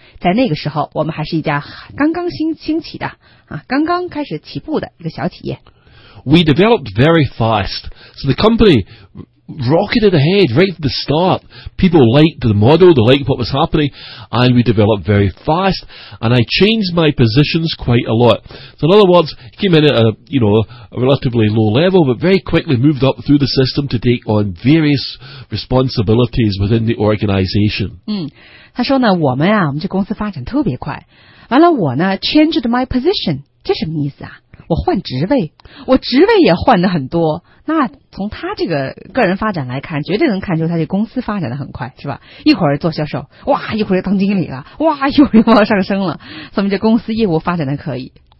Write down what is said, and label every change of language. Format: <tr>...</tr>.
<zh>在那个时候，我们还是一家刚刚兴起的啊，刚刚开始起步的一个小企业。</zh> <en>We developed very fast. So the company rocketed ahead right from the start. People liked the model, they liked what was happening, and we developed very fast. And I changed my positions quite a lot. So in other words, came in at a relatively low level, but very quickly moved up through the system to take on various responsibilities within the organization.</en> <zh>他说呢，我们这公司发展特别快。完了我呢 ,</zh> <en>changed my position.</en> <zh>这什么意思啊？我换职位，我职位也换得很多。那从他这个人发展来看，绝对能看出他这公司发展得很快，是吧？一会儿做销售，哇，一会儿当经理了，哇，一会儿又往上升了，说明这公司业务发展得可以。</zh>